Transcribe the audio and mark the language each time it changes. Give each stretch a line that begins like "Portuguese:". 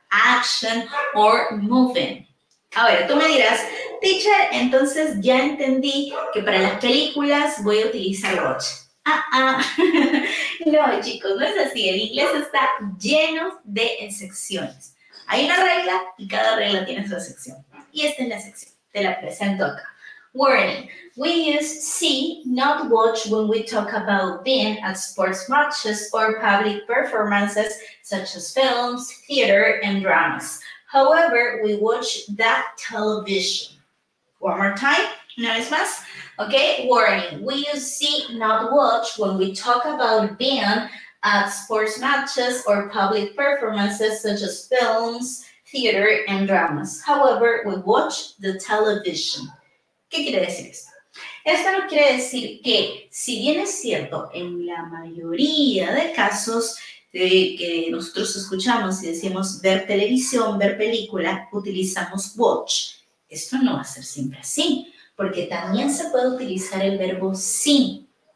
English: Action or moving.
Spanish: Ahora, tú me dirás, teacher, entonces ya entendí que para las películas voy a utilizar watch. Ah, ah. No, chicos, no es así. El inglés está lleno de excepciones. Hay una regla y cada regla tiene su excepción. Y esta es la excepción. Te la presento acá. Warning.
English: We use see, not watch, when we talk about being at sports matches or public performances such as films, theater, and dramas. However, we watch that television. One more time.
Spanish: No es más.
English: Okay, warning. We use see, not watch, when we talk about being at sports matches or public performances such as films, theater, and dramas. However, we watch the television.
Spanish: ¿Qué quiere decir esto? Esto no quiere decir que, si bien es cierto, en la mayoría de casos de que nosotros escuchamos y decimos ver televisión, ver película, utilizamos watch. Esto no va a ser siempre así, porque también se puede utilizar el verbo see.